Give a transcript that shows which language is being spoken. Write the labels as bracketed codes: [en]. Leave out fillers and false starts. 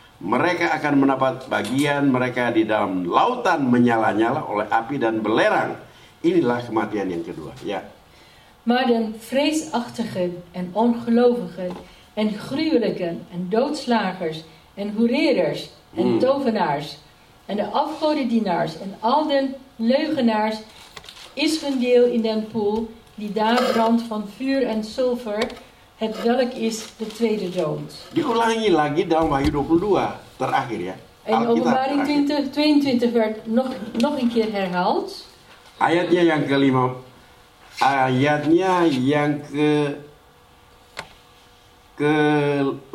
[id] Mereka akan mendapat bagian mereka di dalam lautan menyala-nyala oleh api dan belerang. Inilah kematian yang kedua. Ja. [nl] Maar de vreesachtigen en ongelovigen en gruwelijken en doodslagers en hoereerders en tovenaars en de afgodendienaars en al de leugenaars is hun deel in den poel die daar brandt van vuur en zilver, het welk is de tweede dood. [id] Diulangi lagi dalam Wahyu 22, terakhir ya. [nl] En Openbaring 22 werd nog een keer herhaald. [id] Ayatnya yang kelima, ayatnya yang ke 15.